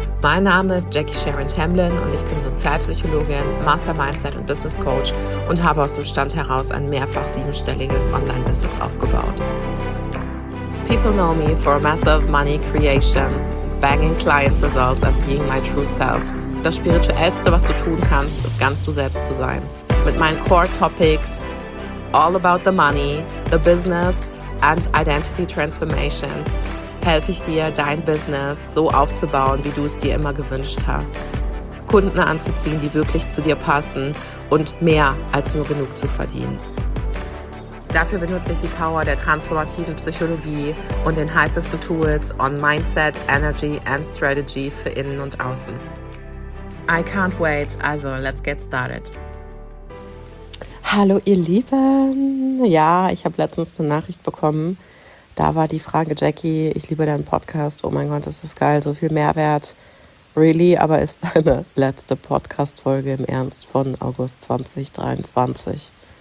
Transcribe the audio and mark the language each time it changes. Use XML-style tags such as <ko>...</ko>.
<de>Mein Name ist Jackie Sharon Tamblyn und ich bin Sozialpsychologin, Master Mindset und Business Coach und habe aus dem Stand heraus ein mehrfach siebenstelliges Online-Business aufgebaut.</de> <en>People know me for massive money creation, banging client results and being my true self.</en> <de>Das Spirituellste, was du tun kannst, ist ganz du selbst zu sein. Mit meinen Core Topics,</de> <en>all about the money, the business and identity transformation,</en> <de>helfe ich dir, dein Business so aufzubauen, wie du es dir immer gewünscht hast. Kunden anzuziehen, die wirklich zu dir passen und mehr als nur genug zu verdienen. Dafür benutze ich die Power der transformativen Psychologie und den heißesten Tools</de> <en>on Mindset, Energy and Strategy</en> <de>für Innen und Außen.</de> <en>I can't wait, also let's get started.</en> <de>Hallo ihr Lieben, ja, ich habe letztens eine Nachricht bekommen, da war die Frage, Jackie, ich liebe deinen Podcast, oh mein Gott, das ist geil, so viel Mehrwert, really, aber ist deine letzte Podcast-Folge im Ernst von August 2023?</de>